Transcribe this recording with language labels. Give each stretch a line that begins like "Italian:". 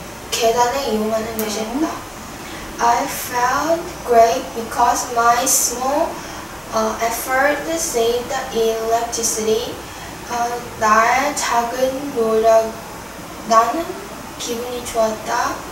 Korean: 계단을 이용하는 것이었다.
English: I felt great because my small effort saved electricity.
Korean: 나의 작은 노력, 나는 기분이 좋았다.